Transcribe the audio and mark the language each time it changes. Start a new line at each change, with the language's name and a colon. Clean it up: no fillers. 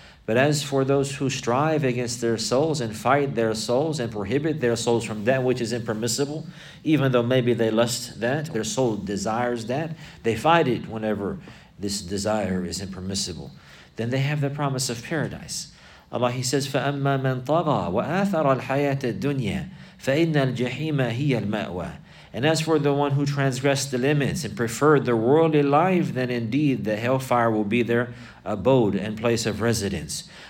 English: But as for those who strive against their souls and fight their souls and prohibit their souls from that which is impermissible, even though maybe they lust that, their soul desires that, they fight it whenever this desire is impermissible, then they have the promise of paradise. Allah, He says,
Arabic: فَأَمَّا مَنْ طَغَى وَآثَرَ الْحَيَاةَ الدُّنْيَا فَإِنَّ الْجَحِيمَ هِيَ الْمَأْوَى.
English: And as for the one who transgressed the limits and preferred the worldly life, then indeed the hellfire will be their abode and place of residence.